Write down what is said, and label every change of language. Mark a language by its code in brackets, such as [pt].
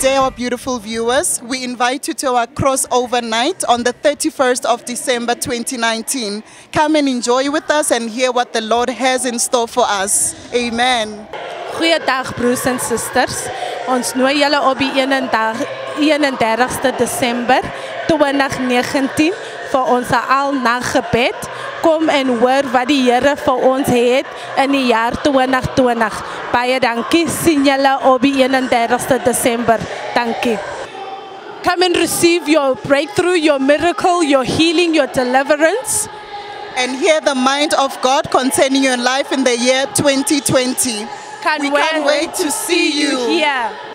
[en] our beautiful viewers, we invite you to our crossover night on the 31st of December 2019. Come and enjoy with us and hear what the Lord has in store for us. Amen. [af] Goeiedag, broers en sisters. Ons nooi julle op die 31ste Desember 2019 vir ons alnaggebed. Kom en hoor wat die Here vir ons het in die jaar 2020. Baie dankie. Sien julle op die 31ste Desember. Dankie. [en] Come and receive your breakthrough, your miracle, your healing, your deliverance. And hear the mind of God concerning your life in the year 2020. We can't wait to see you here.